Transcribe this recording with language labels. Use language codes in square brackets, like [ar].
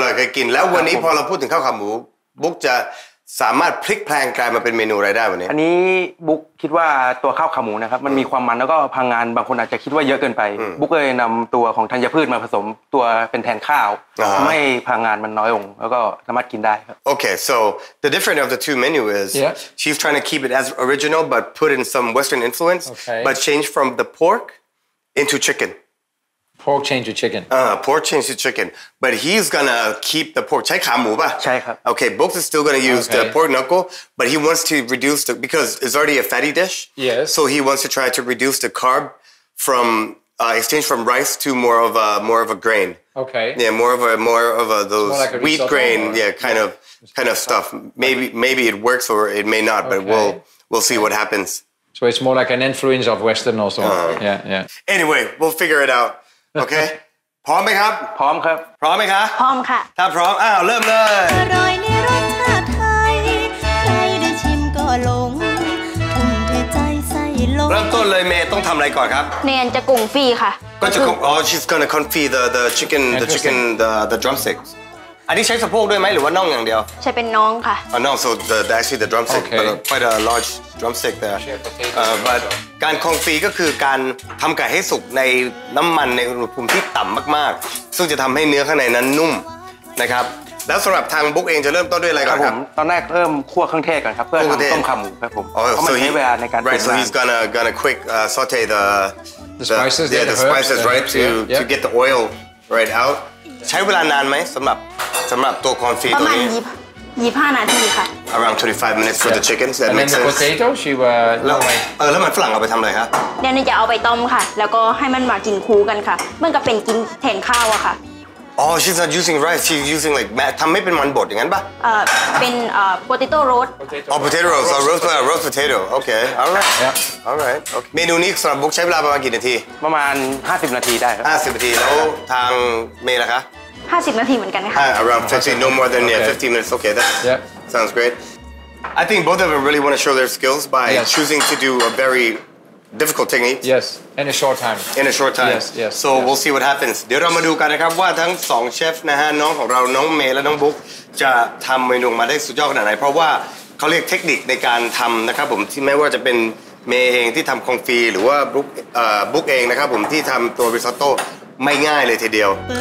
[th] ร่อยเคยกินแล้ววันนี้พอเราพูดถึงข้าวขาหมูบุ๊กจะสามารถพลิกแพลงกลายมาเป็นเมนูอะไรได้วันนี้อันนี้บุ๊กคิดว่าตัวข้าวขาหมูนะครับมันมีความมันแล้วก็พลังงานบางคนอาจจะคิดว่าเยอะเกินไปบุ๊กเลยนำตัวของธัญพืชมาผสมตัวเป็นแทนข้าวไม่พลังงานมันน้อยลงแล้วก็สามารถกินได้ครับ [en] โอเค so the difference of the two menu is she's trying to keep it as original but put in some Western influence but change from the pork into chicken pork change to chicken pork change to chicken but he's gonna keep the pork [th] ใช้ขาหมูป่ะ ใช่ครับ [en] okay Books is still gonna use the pork knuckle but he wants to reduce the because it's already a fatty dish yes so he wants to try to reduce the carb from exchange from rice to more of a grain okay yeah more of a those like a wheat grain or, yeah kind yeah. of it's kind of stuff maybe it works or it may not but we'll see what happens so it's more like an influence of western also yeah anyway we'll figure it out [th] โอเคพร้อมไหมครับ พร้อมครับ พร้อมไหมคะ พร้อมค่ะ ถ้าพร้อมอ้าวเริ่มเลย อร่อยในรสชาติไทยใครได้ชิมก็หลงทุ่มเทใจใส่ลง เริ่มต้นเลยเมย์ต้องทำอะไรก่อนครับ เนียนจะกุ้งฟรีค่ะ ก็จะกุ้งอ๋อ [en] she's gonna confit the chicken the drumsticks [th] อันนี้ใช้สะโพกด้วยไหมหรือว่าน่องอย่างเดียว ใช้เป็นน้องค่ะ อ๋อน้อง [en] so the actually the drumstick okay. but quite a large drumstick there but [th] การคงฟรีก็คือการทำไก่ให้สุกในน้ำมันในอุณหภูมิที่ต่ำมากๆซึ่งจะทำให้เนื้อข้างในนั้นนุ่มนะครับแล้วสำหรับทางบุ๊กเองจะเริ่มต้นด้วยอะไรก่อนครับ ตอนแรกเริ่มคั่วเครื่องเทศก่อนครับเพื่อทำต้มขาหมูครับผมเพราะมันใช้เวลาในการ [en] right so he's gonna quick saute the spices right to get the oil right out [th] ใช้เวลานานไหมสำหรับตัวคอนฟี ประมาณ25นาทีค่ะ [en] around 25 minutes for the chickens that makes sense and then the potato she will [th] เออแล้วมันฝรั่งเอาไปทำอะไรคะ เดี๋ยวนี้จะเอาไปต้มค่ะแล้วก็ให้มันมากินคู่กันค่ะมันก็เป็นกินแทนข้าวอะค่ะ [en] oh she's not using rice she's using like [th] ทำไม่เป็นมันบดอย่างนั้นป่ะ [en] เป็น potato roast oh potato roast oh roast potato okay all right [th] เมนูนี้สำหรับบุ๊กใช้เวลาประมาณกี่นาที ประมาณ50นาทีได้ครับ 50นาทีแล้วทางเมย์ล่ะคะ 50นาทีเหมือนกันค่ะ [en] around 15 no more than 15 minutes okay that sounds great I think both of them really want to show their skills by choosing to do a very difficult technique yes in a short time yes so we'll see what happens [th] เดี๋ยวเรามาดูกันนะครับว่าทั้ง2เชฟนะฮะน้องของเราน้องเมย์และน้องบุ๊กจะทําเมนูมาได้สุดยอดขนาดไหนเพราะว่าเค้าเรียกเทคนิคในการทํานะครับผมที่ไม่ว่าจะเป็นเมย์เองที่ทําคงฟีหรือว่าบุ๊กเองนะครับผมที่ทําตัวริซอตโต้ไม่ง่ายเลยทีเดียว